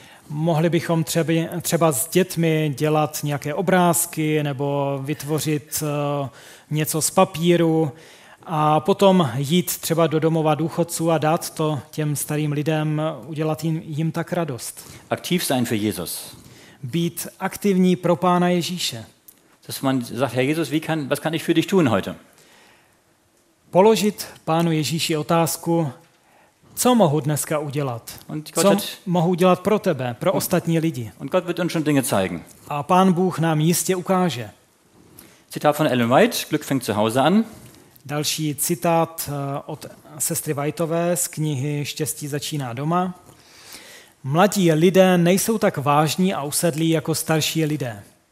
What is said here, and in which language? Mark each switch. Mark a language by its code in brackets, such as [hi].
[cs] Mohli bychom třeba s dětmi dělat nějaké obrázky nebo vytvořit něco z papíru a potom jít třeba do domova důchodců a dát to těm starým lidem, udělat jim tak radost. [de] Aktiv sein für Jesus. [cs] Být aktivní pro Pána Ježíše. [de] Dass man sagt, Herr Jesus, was kann ich für dich tun heute? [cs] Položit Pánu Ježíši otázku, co mohu dneska udělat? Co mohu udělat pro tebe, pro ostatní lidi? [de] Und Gott wird uns schon Dinge zeigen. [cs] A Pán Bůh nám jistě ukáže. [de] Zitat von Ellen White, Glück fängt zu Hause an. [cs] Další citát od sestry Whiteové z knihy Štěstí začíná doma. Mladí lidé nejsou tak vážní a usedlí jako starší lidé.